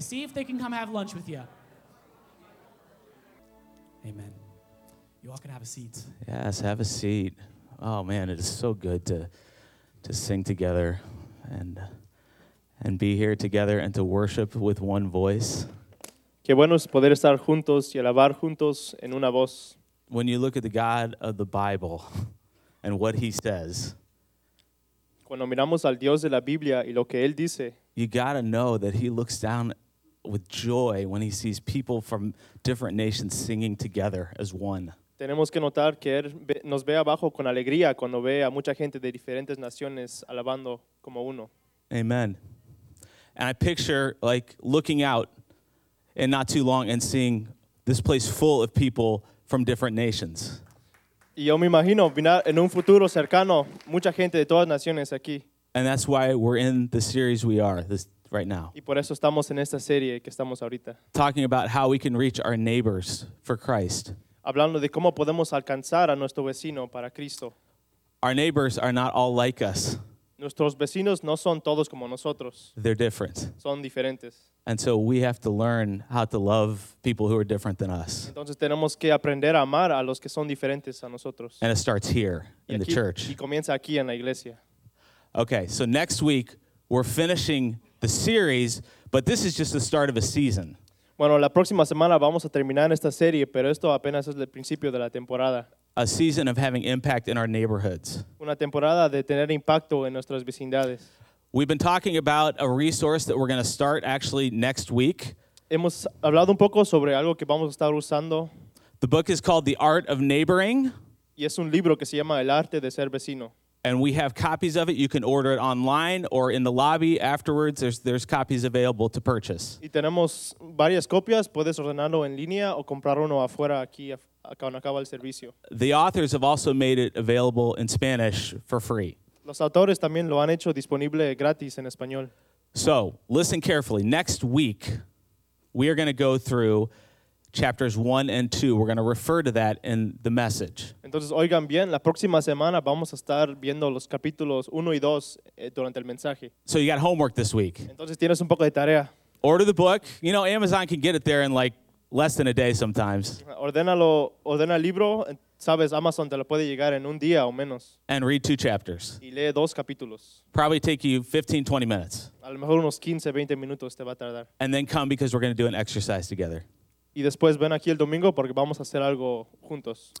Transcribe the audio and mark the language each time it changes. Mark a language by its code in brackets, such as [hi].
[en] See if they can come have lunch with you. Amen. You all can have a seat. Yes, have a seat. Oh, man, it is so good to sing together and be here together and to worship with one voice. [es] Qué bueno es poder estar juntos y alabar juntos en una voz. [en] When you look at the God of the Bible and what he says, [es] cuando miramos al Dios de la Biblia y lo que él dice, [en] you gotta know that he looks down with joy when he sees people from different nations singing together as one. [es] Tenemos que notar que él nos ve abajo con alegría cuando ve a mucha gente de diferentes naciones alabando como uno. [en] Amen. And I picture like looking out and not too long and seeing this place full of people from different nations. [es] Y yo me imagino en un futuro cercano mucha gente de todas naciones aquí. [en] And that's why we're in the series we are this right now. [es] Y por eso estamos en esta serie que estamos ahorita. [en] Talking about how we can reach our neighbors for Christ. [es] Hablando de cómo podemos alcanzar a nuestro vecino para Cristo. [en] Our neighbors are not all like us. [es] Nuestros vecinos no son todos como nosotros. [en] They're different. [es] Son diferentes. [en] And so we have to learn how to love people who are different than us. [es] Entonces tenemos que aprender a amar a los que son diferentes a nosotros. [en] And it starts here in the church. [es] Y comienza aquí en la iglesia. [en] Okay, so next week we're finishing the series, but this is just the start of a season. [es] Bueno, la próxima semana vamos a terminar esta serie, pero esto apenas es el principio de la temporada. [en] A season of having impact in our neighborhoods. [es] Una temporada de tener impacto en nuestras vecindades. [en] We've been talking about a resource that we're going to start actually next week. [es] Hemos hablado un poco sobre algo que vamos a estar usando. [en] The book is called The Art of Neighboring. [es] Y es un libro que se llama El Arte de Ser Vecino. [en] And we have copies of it. You can order it online or in the lobby afterwards. There's copies available to purchase. [es] Y tenemos varias copias. Puedes ordenarlo en línea o comprar uno afuera aquí cuando acaba el servicio. [en] The authors have also made it available in Spanish for free. [es] Los autores también lo han hecho disponible gratis en español. [en] So, listen carefully. Next week, we are going to go through chapters 1 and 2. We're going to refer to that in the message. [es] Entonces, oigan bien, la próxima semana vamos a estar viendo los capítulos 1 y 2 durante el mensaje. [en] So, you got homework this week. [es] Entonces, tienes un poco de tarea. [en] Order the book. You know, Amazon can get it there in like less than a day sometimes. [es] Ordénalo, ordena el libro. Sabes, Amazon te lo puede llegar en un día o menos. [en] And read 2 chapters. [es] Y lee 2 capítulos. [en] Probably take you 15, 20 minutes. [es] A lo mejor unos 15, 20 minutos te va a tardar. [en] And then come because we're going to do an exercise together. [es] Y después ven aquí el domingo porque vamos a hacer algo juntos.